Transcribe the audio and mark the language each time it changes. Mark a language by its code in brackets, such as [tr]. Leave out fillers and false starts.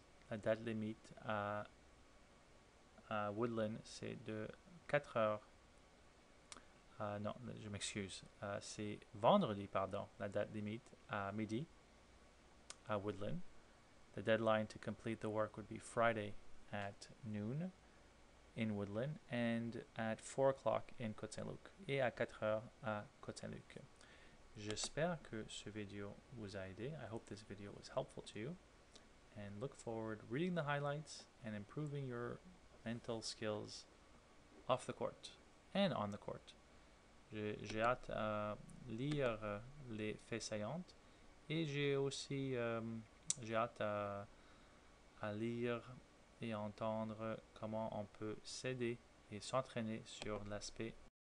[fr] La date limite à Woodland, c'est de 4 heures. Non, je m'excuse. C'est vendredi, pardon, la date limite à midi à Woodland. [en] The deadline to complete the work would be Friday at noon in Woodland and at 4 o'clock in Côte-Saint-Luc. [fr] Et à 4 heures à Côte-Saint-Luc. J'espère que ce vidéo vous a aidé. [en] I hope this video was helpful to you. And look forward to reading the highlights and improving your mental skills off the court and on the court. [fr] J'ai hâte à lire les faits saillants et j'ai aussi j'ai hâte à lire et entendre comment on peut s'aider et s'entraîner sur l'aspect